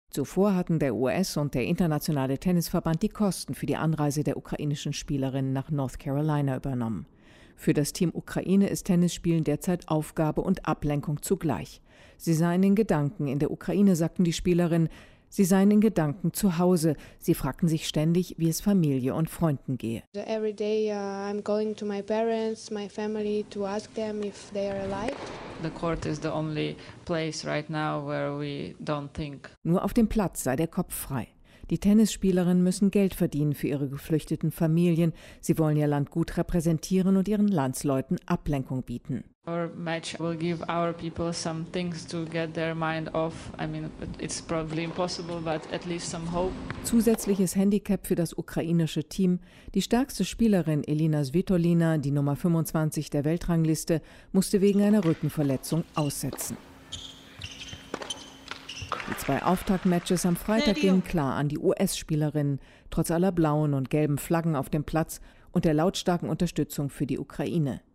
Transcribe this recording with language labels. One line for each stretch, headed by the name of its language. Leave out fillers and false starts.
German: Zuvor hatten der US- und der Internationale Tennisverband die Kosten für die Anreise der ukrainischen Spielerinnen nach North Carolina übernommen. Für das Team Ukraine ist Tennisspielen derzeit Aufgabe und Ablenkung zugleich. Sie seien in Gedanken in der Ukraine, sagten die Spielerinnen. Sie seien in Gedanken zu Hause. Sie fragten sich ständig, wie es Familie und Freunden gehe.
English: Every day I'm going to my parents, my family to ask them if they are alive. The court is the only place right now where we don't think.
German: Nur auf dem Platz sei der Kopf frei. Die Tennisspielerinnen müssen Geld verdienen für ihre geflüchteten Familien. Sie wollen ihr Land gut repräsentieren und ihren Landsleuten Ablenkung bieten.
English: Our match will give our people some things to get their mind off. I mean, it's probably impossible, but at least some hope.
German: Zusätzliches Handicap für das ukrainische Team. Die stärkste Spielerin Elina Svitolina, die Nummer 25 der Weltrangliste, musste wegen einer Rückenverletzung aussetzen. Die zwei Auftaktmatches am Freitag gingen klar an die US-Spielerinnen, trotz aller blauen und gelben Flaggen auf dem Platz und der lautstarken Unterstützung für die Ukraine.